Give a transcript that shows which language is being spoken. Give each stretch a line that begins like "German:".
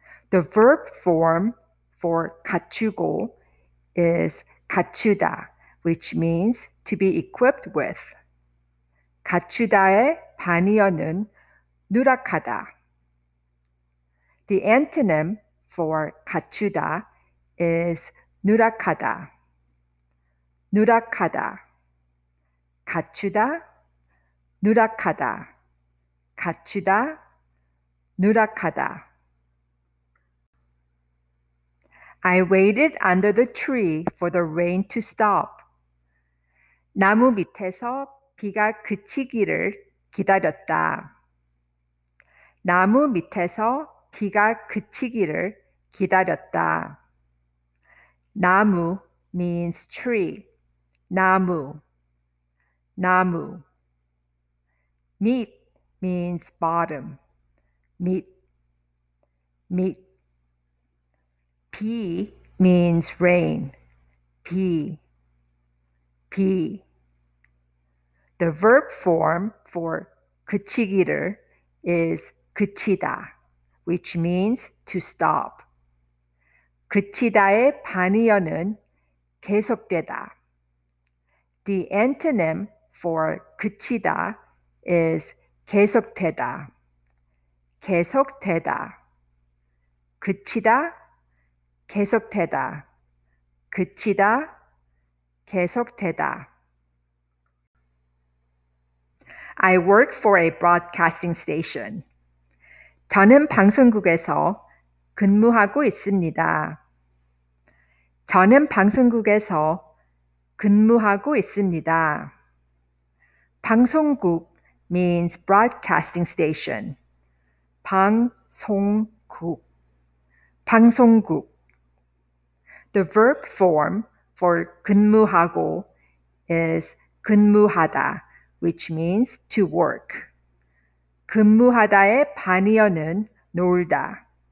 English: The verb form for 갖추고 is 갖추다, which means to be equipped with.
Korean: 갖추다의 반의어는 누락하다.
English: The antonym for 갖추다 is 누락하다. 누락하다.
Korean: 갖추다, 누락하다, 갖추다, 누락하다.
English: I waited under the tree for the rain to stop.
Korean: 나무 밑에서 비가 그치기를 기다렸다. 나무 밑에서 비가 그치기를 기다렸다.
English: 나무 means tree. 나무. 나무. 밑 means bottom.
Korean: 밑. 밑.
English: 비 means rain.
Korean: 비. 비.
English: The verb form for 그치기를 is 그치다, which means to stop.
Korean: 그치다의 반의어는 계속되다.
English: The antonym for 그치다 is 계속되다.
Korean: 계속되다. 그치다. 계속되다. 그치다. 계속되다.
English: I work for a broadcasting station.
Korean: 저는 방송국에서 근무하고 있습니다. 저는 방송국에서 근무하고 있습니다.
English: 방송국 means broadcasting station.
Korean: 방송국. 방송국.
English: The verb form for 근무하고 is 근무하다, which means to work.
Korean: 근무하다의 반의어는 놀다.